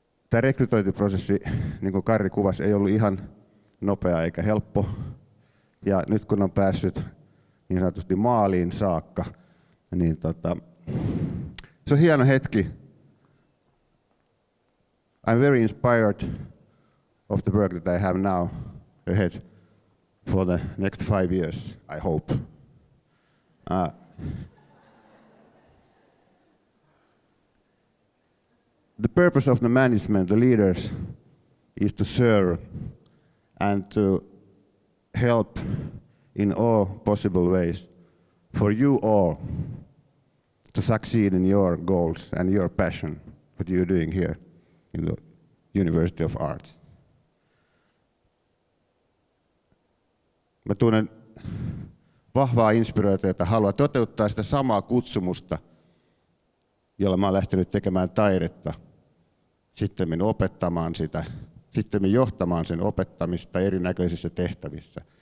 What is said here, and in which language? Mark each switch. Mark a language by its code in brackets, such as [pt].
[fi] Tämä rekrytointiprosessi, niin kuin Karri kuvasi, ei ollut ihan nopea eikä helppo. Ja nyt kun on päässyt niin sanotusti maaliin saakka, niin se on hieno hetki. [en] I'm very inspired of the work that I have now ahead for the next 5 years, I hope. The purpose of the management, the leaders, is to serve and to help in all possible ways for you all to succeed in your goals and your passion, what you're doing here in the University of Arts. [fi] Mä tunnen vahvaa inspiroitua, että haluaa toteuttaa sitä samaa kutsumusta, jolla mä oon lähtenyt tekemään taidetta. Sittemmin opettamaan sitä, sittemmin johtamaan sen opettamista erinäköisissä tehtävissä.